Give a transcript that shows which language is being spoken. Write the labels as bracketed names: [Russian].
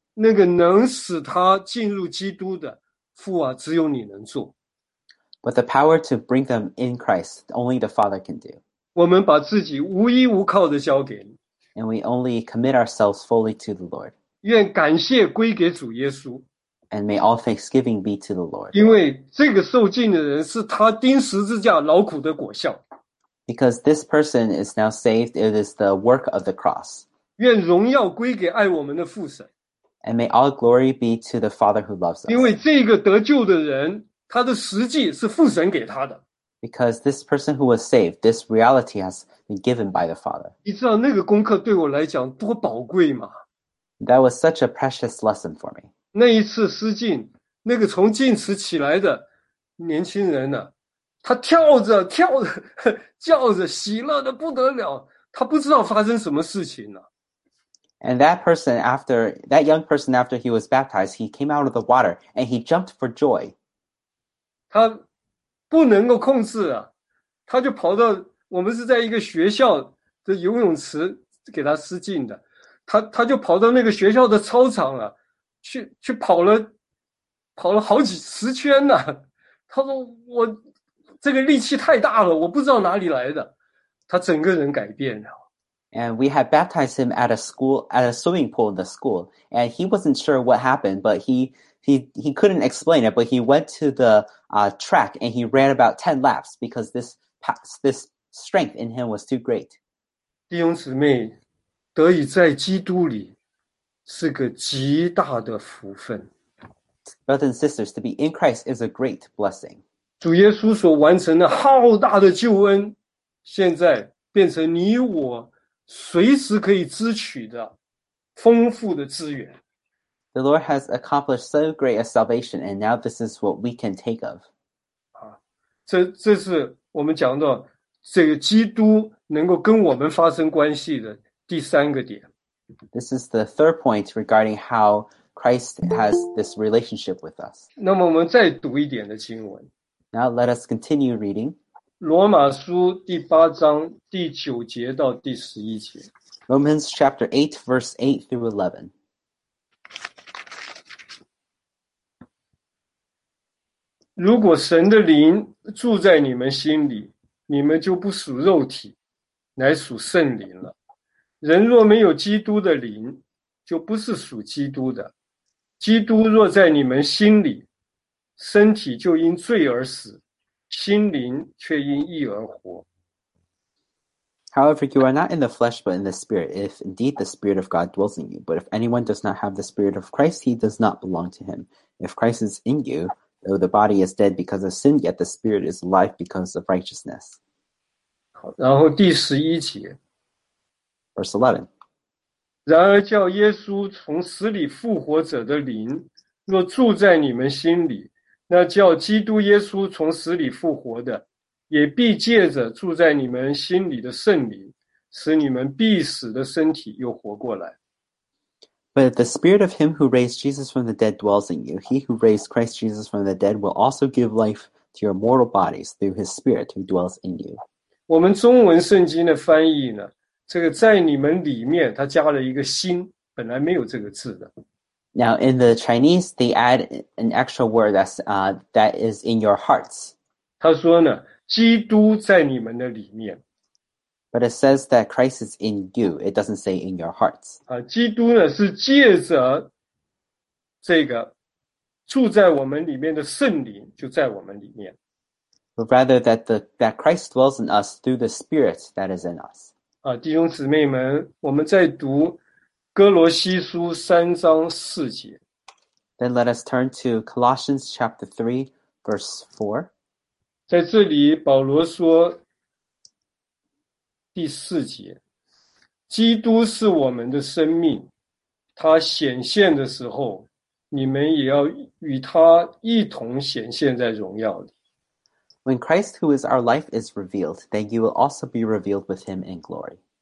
[Chinese] 那个能使他进入基督的父啊，只有你能做。 [English] But the power to bring them in Christ, only the Father can do. [Chinese] 我们把自己无依无靠的交给你。 [English] And we only commit ourselves fully to the Lord. [Chinese] 愿感谢归给主耶稣。 [English] And may all thanksgiving be to the Lord. [Chinese] 因为这个受浸的人是他钉十字架劳苦的果效。 [English] Because this person is now saved, it is the work of the cross. [Chinese] 愿荣耀归给爱我们的父神。 [English] And may all glory be to the Father who loves us. [Chinese] 因为这个得救的人，他的实际是父神给他的。 [English] Because this person who was saved, this reality has been given by the Father. [Chinese] 你知道那个功课对我来讲多宝贵吗？ [English] That was such a precious lesson for me. [Chinese] 那一次失禁，那个从净池起来的年轻人呢，他跳着叫着，喜乐的不得了，他不知道发生什么事情了。 [English] And that young person after he was baptized, he came out of the water and he jumped for joy. [Chinese] 他不能够控制啊，他就跑到，我们是在一个学校的游泳池给他施浸的，他就跑到那个学校的操场啊，去跑了好几十圈呢、啊。他说我这个力气太大了，我不知道哪里来的，他整个人改变了。 [English] And we had baptized him at a swimming pool in the school. And he wasn't sure what happened, but he couldn't explain it. But he went to the track and he ran about 10 laps because this strength in him was too great. [Chinese] 弟兄姊妹，得以在基督里是个极大的福分。 [English] Brothers and sisters, to be in Christ is a great blessing. [Chinese] 主耶稣所完成的浩大的救恩，现在变成你我随时可以支取的丰富的资源。 [English] The Lord has accomplished so great a salvation, and now this is what we can take of. [Chinese] 这是我们讲到这个基督能够跟我们发生关系的第三个点。 [English] This is the third point regarding how Christ has this relationship with us. [Chinese] 那么我们再读一点的经文。 [English] Now let us continue reading. [Chinese] 罗马书第八章第九节到第十一节。 [English] Romans chapter 8, verse 8 through 11. [Chinese] 如果神的灵住在你们心里，你们就不属肉体，乃属圣灵了。人若没有基督的灵，就不是属基督的。基督若在你们心里，身体就因罪而死，心灵却因义而活。 [English] However, you are not in the flesh, but in the spirit, if indeed the spirit of God dwells in you. But if anyone does not have the spirit of Christ, he does not belong to him. If Christ is in you, though the body is dead because of sin, yet the spirit is alive because of righteousness. [Chinese] 好，然后第十一节。 [English] Verse 11. [Chinese] 然而叫耶稣从死里复活者的灵，若住在你们心里，那叫基督耶稣从死里复活的，也必借着住在你们心里的圣灵，使你们必死的身体又活过来。 [English] But the spirit of him who raised Jesus from the dead dwells in you. He who raised Christ Jesus from the dead will also give life to your mortal bodies through his spirit who dwells in you. [Chinese] 我们中文圣经的翻译呢，这个在你们里面，它加了一个心，本来没有这个字的。 [English] Now, in the Chinese, they add an extra word that is in your hearts. [Chinese] 他说呢，基督在你们的里面。 [English] But it says that Christ is in you. It doesn't say in your hearts. [Chinese] 基督呢，是借着这个住在我们里面的圣灵，就在我们里面。 [English] But rather that Christ dwells in us through the Spirit that is in us. [Chinese] 弟兄姊妹们，我们在读哥罗西书三章四节。 [English] Then let us turn to Colossians chapter 3, verse 4. [Chinese] 在这里保罗说第四节，基督是我们的生命，他显现的时候，你们也要与他一同显现在荣耀里。 [English] When Christ, who is our life, is revealed, then you will also be revealed with him in glory.